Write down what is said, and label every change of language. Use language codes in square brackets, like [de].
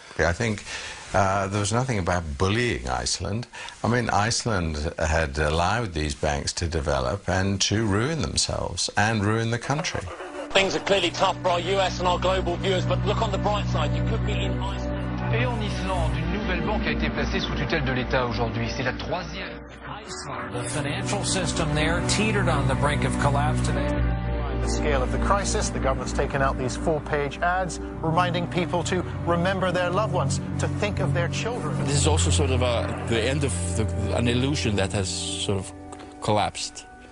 [en] Yeah, I think there was nothing about bullying Iceland. I mean, Iceland had allowed these banks to develop and to ruin themselves and ruin the country. Things are clearly tough for our US and our global viewers, but look on the bright side, you could be in Iceland. [fr] Et en Islande, une nouvelle banque a été placée sous tutelle de l'État aujourd'hui. C'est la troisième. [en] Iceland, the financial system there teetered on the brink of collapse today. The scale of the crisis, the government's taken out these four-page ads, reminding people to remember their loved ones, to think of their children. This is also sort of the end of an illusion that has sort of collapsed.